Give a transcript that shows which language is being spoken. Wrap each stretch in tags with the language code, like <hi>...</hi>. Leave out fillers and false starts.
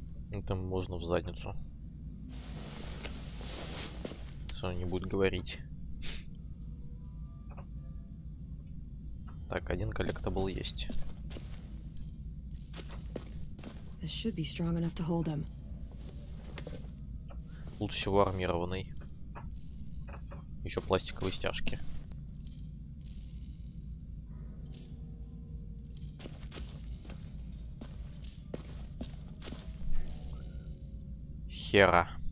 <ru>Это можно в задницу. Если он не будет говорить. Так, один коллектабл есть.</ru> <en>This should be strong enough to hold him.</en> <ru>Лучше всего армированный. Еще пластиковые стяжки. Хера.</ru>